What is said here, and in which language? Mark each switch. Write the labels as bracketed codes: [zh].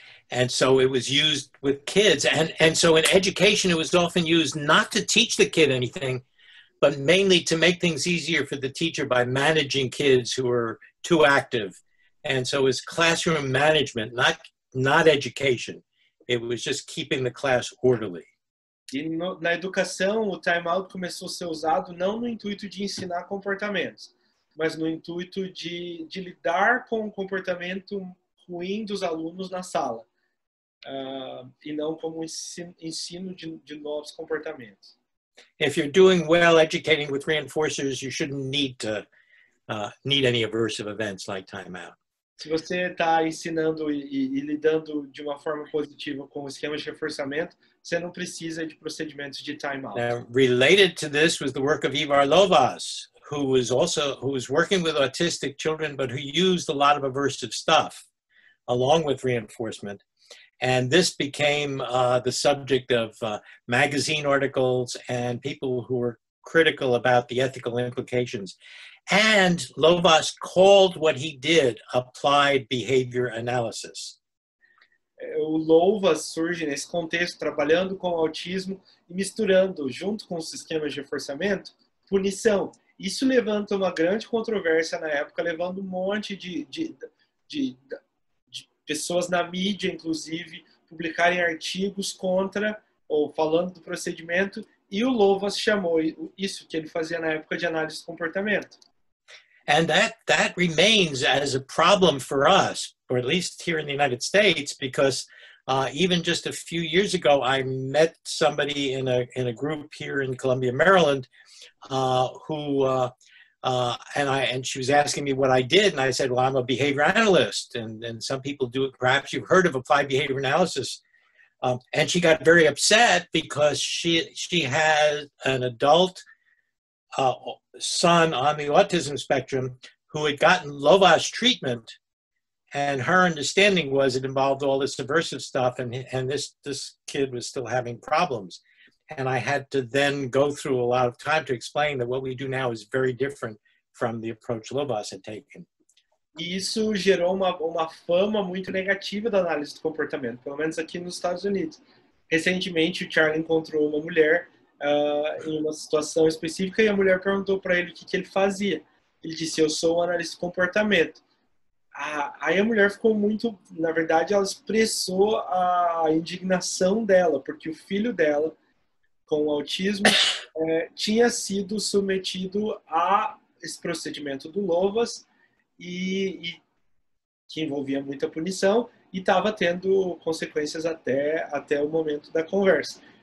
[en] And so it was used with kids. And so in education, it was often used not to teach the kid anything, but mainly to make things easier for the teacher by managing kids who were too active. And so it was classroom management, not education. It was just keeping the class orderly. [pt] E no, na educação, o timeout começou a ser usado não no intuito de ensinar comportamentos, mas no intuito de lidar com o comportamento ruim dos alunos na sala, e não como ensino de novos comportamentos. [en] If you're doing well educating with reinforcers, you shouldn't need to need any aversive events like timeout. [pt] Se você está ensinando e lidando de uma forma positiva com o esquema de reforçamento, você não precisa de procedimentos de time-out. [en] Now, related to this was the work of Ivar Lovaas, who was working with autistic children, but who used a lot of aversive stuff along with reinforcement. And this became the subject of magazine articles and people who were critical about the ethical implications. And Lovaas called what he did applied behavior analysis. [pt] O Lovaas surge nesse contexto, trabalhando com o autismo e misturando, junto com os sistemas de reforçamento, punição. Isso levanta uma grande controvérsia na época, levando um monte de pessoas na mídia, inclusive, publicarem artigos contra ou falando do procedimento. E o Lovaas chamou isso que ele fazia na época de análise de comportamento. [en] And that remains as a problem for us, or at least here in the United States, because even just a few years ago, I met somebody in a group here in Columbia, Maryland, who she was asking me what I did, and I said, well, I'm a behavior analyst, and some people do it. Perhaps you've heard of applied behavior analysis, and she got very upset because she had an adult son on the autism spectrum who had gotten Lovaas treatment, and her understanding was it involved all this aversive stuff, and this kid was still having problems. And I had to then go through a lot of time to explain that what we do now is very different from the approach Lovaas had taken. [pt] Isso gerou uma fama muito negativa da análise do comportamento, pelo menos aqui nos Estados Unidos. Recentemente, o Charlie encontrou uma mulher em uma situação específica, e a mulher perguntou para ele o que ele fazia. Ele disse, eu sou um analista de comportamento. Aí a mulher ficou muito, na verdade, ela expressou a indignação dela, porque o filho dela, com o autismo, tinha sido submetido a esse procedimento do Lovaas, e que envolvia muita punição, e estava tendo consequências até o momento da conversa.